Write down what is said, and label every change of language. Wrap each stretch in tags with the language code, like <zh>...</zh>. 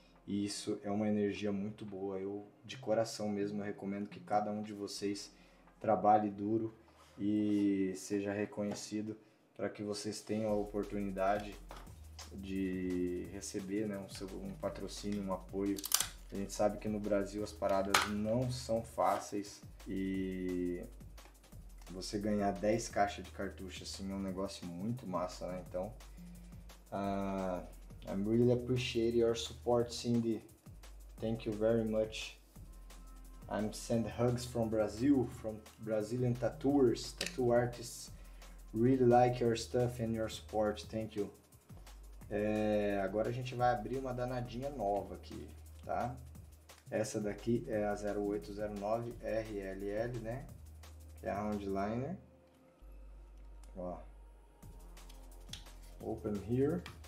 <pt>E isso é uma energia muito boa. Eu, de coração mesmo, recomendo que cada um de vocês trabalhe duro e seja reconhecido para que vocês tenham a oportunidade de receber, né, um patrocínio, um apoio. A gente sabe que no Brasil as paradas não são fáceis e você ganhar 10 caixas de cartucho assim é um negócio muito massa, né? Então,</pt> <en>I really appreciate your support, Cindy. Thank you very much. I'm send hugs from Brazil, from Brazilian tattooers. Tattoo artists really like your stuff and your support. Thank you.</en> <pt>É, agora a gente vai abrir uma danadinha nova aqui, tá? Essa daqui é a 0809 RLL, né? Que é a Round Liner. Ó.</pt> <en>Open here.</en>